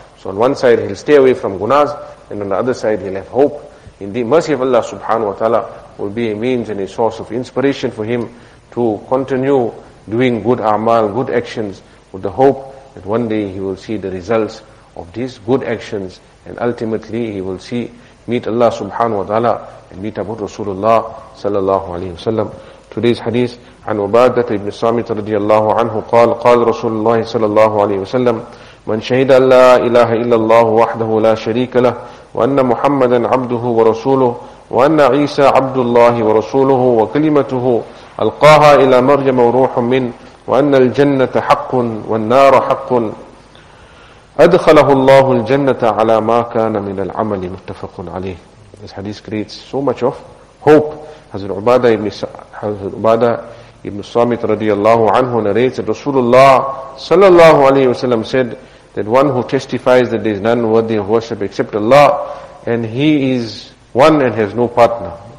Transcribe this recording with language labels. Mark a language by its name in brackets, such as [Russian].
[English] So on one side he'll stay away from gunas, and on the other side he'll have hope in the mercy of Allah subhanahu wa ta'ala, will be a means and a source of inspiration for him to continue doing good a'mal, good actions, with the hope that one day he will see the results of these good actions, and ultimately he will see, meet Allah subhanahu wa ta'ala, and meet Abu Rasulullah sallallahu alayhi wa sallam. Today's hadith, [Arabic] عن عبادة بن الصامت رضي الله عنه قال قال رسول الله صلى الله عليه وسلم من شهد أن لا إله إلا الله وحده لا شريك له وأن محمدا عبده ورسوله وأن عيسى عبد الله ورسوله وكلمته ألقاها إلى مريم وروح منه وأن الجنة حق والنار حق أدخله الله الجنة على ما كان من العمل متفق عليه. [English] This hadith creates so much of hope. Hazrat Ubadah ibn Samit radiyallahu anhu narrates that Rasulullah sallallahu alayhi wa sallam said that one who testifies that there is none worthy of worship except Allah, and he is one and has no partner.